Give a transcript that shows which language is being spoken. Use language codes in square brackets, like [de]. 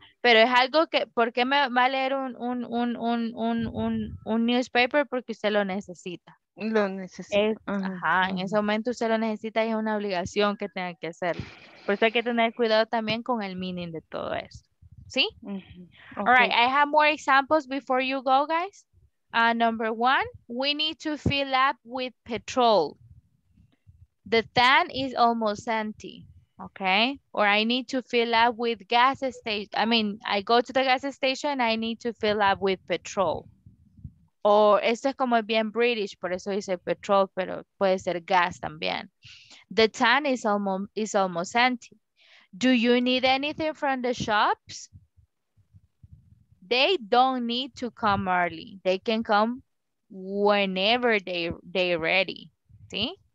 [es] Pero es algo que, ¿por qué me va a leer un newspaper? Porque usted lo necesita. Lo necesita. Ajá. Ajá. En ese momento usted lo necesita y es una obligación que tenga que hacer. Por eso hay que tener cuidado también con el meaning de todo esto. ¿Sí? Mm-hmm. Okay. [en] All right, I have more examples before you go, guys. Number one, we need to fill up with petrol. The tank is almost empty, okay? Or I need to fill up with gas station. I mean, I go to the gas station, I need to fill up with petrol. [es] Or esto es como bien British, por eso dice petrol, pero puede ser gas también. [en] The tank is almost empty. Do you need anything from the shops? They don't need to come early. They can come whenever they're ready. See?